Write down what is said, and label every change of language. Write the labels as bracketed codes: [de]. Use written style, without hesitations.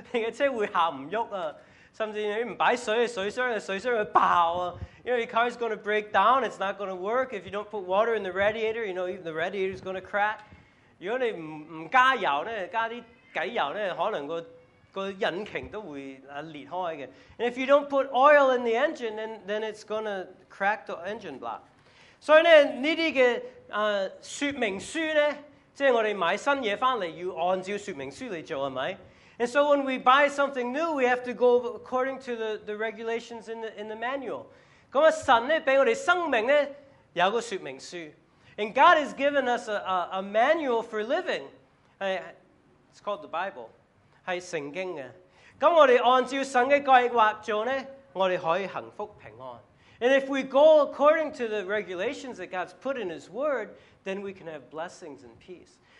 [zh] 你的车就会坏,你的车会走不动啊。甚至你不放水,水箱就爆了. [en] You know, your car is going to break down, it's not going to work. If you don't put water in the radiator, you know, even the radiator is going to crack. [zh] 如果你不加油,加些鬼油,可能引擎都会裂开的. [en] And if you don't put oil in the engine, then it's going to crack the engine block. [zh] 所以这些说明书,即是我们买新东西回来,要按照说明书来做,是不是? [en] And so when we buy something new, we have to go according to the regulations in the manual. [zh] 那神呢,给我们生命呢,有个说明书. [en] And God has given us a manual for living. It's called the Bible. [zh] 是圣经的. 那我们按照神的计划做呢,我们可以幸福平安. [en] And if we go according to the regulations that God's put in His Word, then we can have blessings and peace.